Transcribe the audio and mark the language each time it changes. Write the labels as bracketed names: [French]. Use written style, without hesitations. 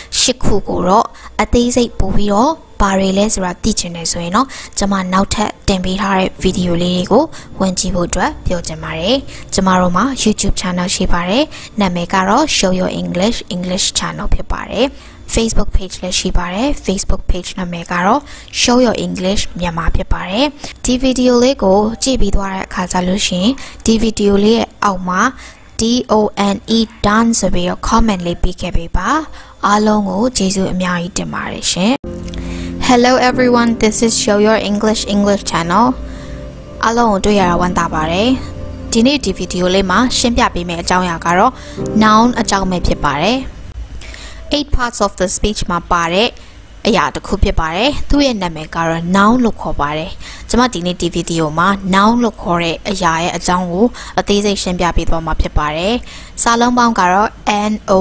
[Burmese] ၈ခုကိုတော့အသေးစိတ်ပို့ပြီးတော့ပါရည်လဲဆိုတာသိချင်တယ်ဆိုရင်တော့ကျွန်မနောက်ထပ်တင်ပေးထားတဲ့ဗီဒီယိုလေးတွေကိုဝင်ကြည့်ဖို့အတွက်ပြောချင်ပါတယ်။ကျွန်မတို့မှာ YouTube Channel ရှိပါတယ်။နာမည်ကတော့ Show Your English English Channel ဖြစ်ပါတယ်။Facebook page လည်းရှိပါတယ် Facebook page နာမည်ကတော့ Show Your English မြန်မာဖြစ်ပါတယ်ဒီဗီဒီယိုလေးကိုကြည့်ပြီးသွားတဲ့အခါကျလို့ရှင်ဒီဗီဒီယိုလေးရဲ့အောက်မှာ done done ဆိုပြီး comment လေးပေးခဲ့ပေးပါအားလုံးကိုကျေးဇူးအများကြီးတင်ပါတယ်ရှင် [English] Hello everyone this is Show Your English English channel [Burmese] အားလုံးကိုတွေ့ရတာဝမ်းသာပါတယ်ဒီနေ့ဒီဗီဒီယိုလေးမှာရှင်းပြပေးမယ့်အကြောင်းအရာကတော့ noun အကြောင်းပဲဖြစ်ပါတယ် [English] 8 parts of the speech [Burmese] မှာပါတဲ့အရာတစ်ခုဖြစ်ပါတယ်သူ့ရဲ့နာမည်ကတော့ noun လို့ခေါ်ပါတယ်ကျွန်မဒီနေ့ဒီဗီဒီယိုမှာ noun လို့ခေါ်တဲ့အရာရဲ့အကြောင်းကိုအသေးစိတ်ရှင်းပြပေးသွားမှာဖြစ်ပါတယ်စာလုံးပေါင်းကတော့ noun